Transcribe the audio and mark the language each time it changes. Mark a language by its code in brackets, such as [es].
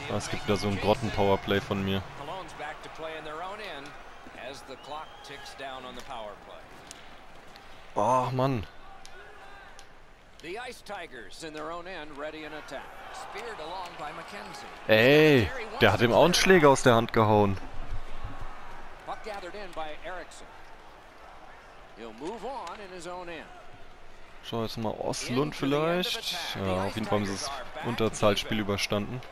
[de] he'll es gibt wieder so ein Grotten-Powerplay von mir. [en] Cologne's back to play in their own end as the clock ticks down on the power play. [de] Oh, Mann. [en] The Ice Tigers in their own end ready in attack. Speared along by McKenzie. [de] Ey, der hat ihm auch einen Schläger aus der Hand gehauen. [en] Puck gathered in by Eriksson. He'll move on in his own end. [de] Schau jetzt mal Oslund vielleicht. Ja, auf jeden Fall haben sie das Unterzahlspiel überstanden.